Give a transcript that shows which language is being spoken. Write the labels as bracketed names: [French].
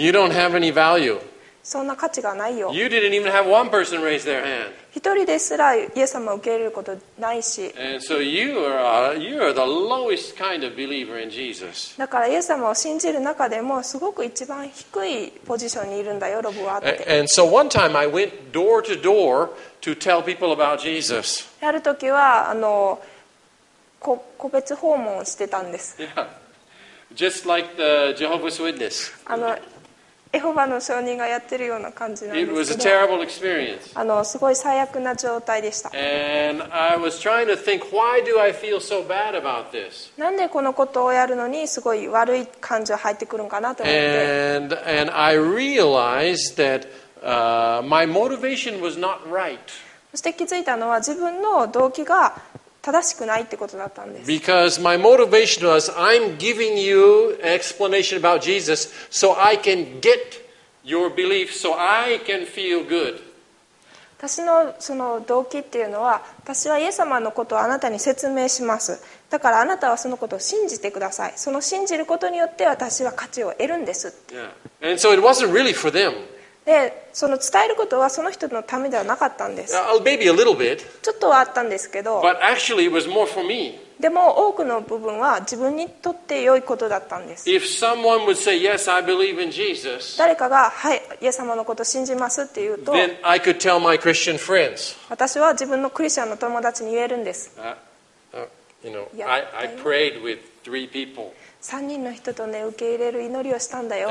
[English] You don't have any value. [Japanese] そんな価値がないよ。 [English] You didn't even have one person raise their hand. [Japanese] 一人ですらイエス様を受け入れることないし。 [English] And so you are the lowest kind of believer in Jesus. [Japanese] だからイエス様を信じる中でもすごく一番低いポジションにいるんだよ、ロブはって。 [English] And so one time I went door to door.To tell people about Jesus. [Japanese] やるときは個別訪問をしてたんです。 [English] Just like the Jehovah's Witness. [Japanese] エホバの証人がやってるような感じなんですけど。 [English] It was a terrible experience. [Japanese] すごい最悪な状態でした。 [English] And I was trying to think, why do I feel so bad about this? [Japanese] なんでこのことをやるのにすごい悪い感情入ってくるのかなと思って。 [English] And I realized that my motivation was not right. [Japanese] そして気づいたのは自分の動機が正しくないってことだったんです。 [English] Because my motivation was, I'm giving you an explanation about Jesus so I can get your belief so I can feel good. [Japanese] 私のその動機っていうのは、私はイエス様のことをあなたに説明します。だからあなたはそのことを信じてください。その信じることによって私は価値を得るんです。 [English] Yeah. And so it wasn't really for them. [Japanese] でその伝えることはその人のためではなかったんです。 [English] Maybe a little bit, [Japanese] ちょっとはあったんですけど、 [English] but actually it was more for me. [Japanese] でも多くの部分は自分にとって良いことだったんです。 [English] If someone would say, yes, I believe in Jesus, [Japanese] 誰かが、はい、イエス様のことを信じますって言うと、 [English] then I could tell my Christian friends. [Japanese] 私は自分のクリスチャンの友達に言えるんです。 [English] I prayed with three people. [Japanese] 3人の人とね受け入れる祈りをしたんだよ。